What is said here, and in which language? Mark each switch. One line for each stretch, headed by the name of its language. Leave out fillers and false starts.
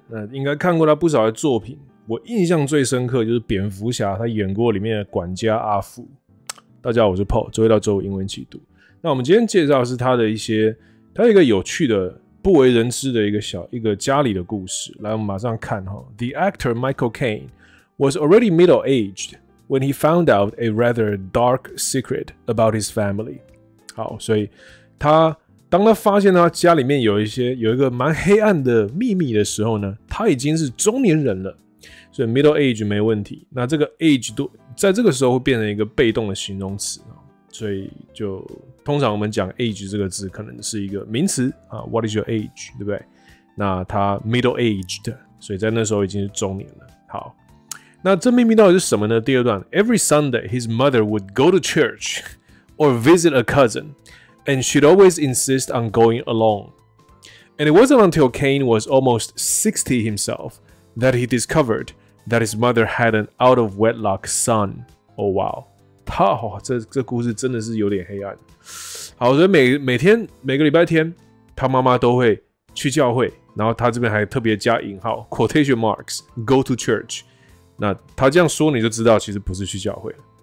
Chinese: 那应该看过他不少的作品。我印象最深刻就是蝙蝠侠，他演过里面的管家阿福。大家好，我是 Paul， 周一到周五英文起读。那我们今天介绍的是他的一些，他有一个有趣的不为人知的一个家里的故事。来，我们马上看哈。
English: The actor Michael Caine was already middle-aged when he found out a rather dark secret about his family。
Chinese: 好，所以他当他发现他家里面有一个蛮黑暗的秘密的时候呢，他已经是中年人了，所以 middle age 没问题。那这个 age 都在这个时候会变成一个被动的形容词，所以就通常我们讲 age 这个字可能是一个名词啊 ，
English: what is your age，
Chinese: 对不对？那他 middle aged， 所以在那时候已经是中年了。好，那这秘密到底是什么呢？第二段
English: ，Every Sunday his mother would go to church or visit a cousin。 And she'd always insist on going along. And it wasn't until Caine was almost 60 himself that he discovered that his mother had an out-of-wedlock son. Oh, wow.
Chinese: 他、哦、这故事真的是有点黑暗。好，所以 每天每个礼拜天他妈妈都会去教会，然后他这边还特别加引号
English: quotation marks, go to church.
Chinese: 那他这样说你就知道其实不是去教会了。